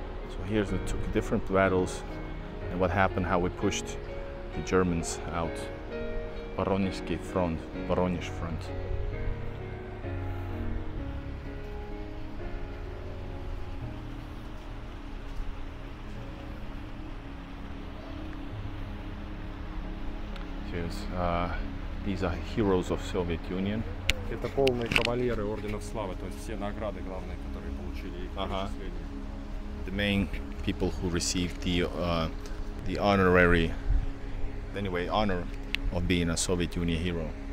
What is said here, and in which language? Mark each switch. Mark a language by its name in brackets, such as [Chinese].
[English] So here's the two different battles and what happened, how we pushed the Germans out. [Russian] Воронежский фронт, Воронеж фронт. [English] Here's these are heroes of Soviet Union. [Russian] Это полные кавалеры орденов славы, то есть все награды главные, которые получили их перечисление. [English] The main people who received the honorary, anyway, honor of being a Soviet Union hero.